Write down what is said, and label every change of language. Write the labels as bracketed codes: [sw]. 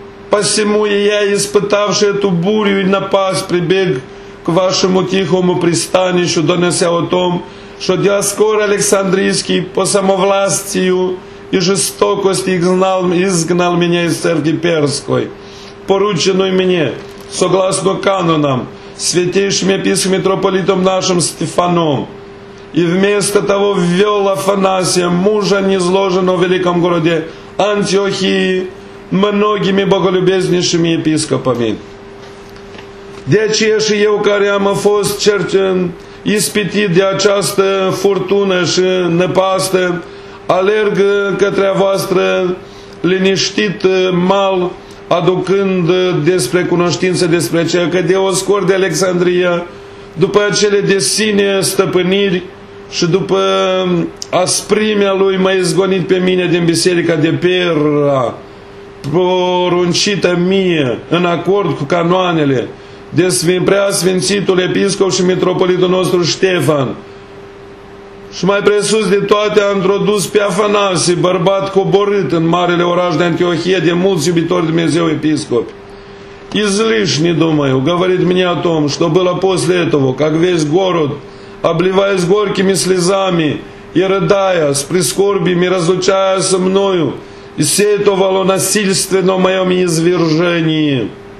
[ru] Посему я, испытавший эту бурю и напасть, прибег к вашему тихому пристанищу, донеся о том, что диаскор Александрийский по самовластию и жестокости изгнал меня из церкви Перской, порученную мне, согласно канонам, святейшим епископом митрополитом нашим Стефаном, и вместо того ввел Афанасия, мужа низложенного в великом городе Антиохии, многими боголюбезнейшими епископами. [ro] Deci și eu care am fost cercen ispitit de această furtună și nepastă, alerg către a voastră liniștit mal, aducând despre cunoștință despre ceea că Dioscor de Alexandria, după acele de sine stăpâniri și după asprimea lui m-a izgonit pe mine din biserica de Pera, poruncită mie în acord cu canoanele de preasfințitul episcop și mitropolitul nostru Ștefan și mai presus de toate a introdus pe Afanasie, bărbat coborât în marele oraș de Antiohie de mulți iubitori de Dumnezeu episcopi. [ru] Излишни, думаю, говорит мне о том, что было после этого, как весь город, обливаясь горькими слезами и рыдая с прискорбием и разлучаясь мною, и сетовало насильственно в моем извержении.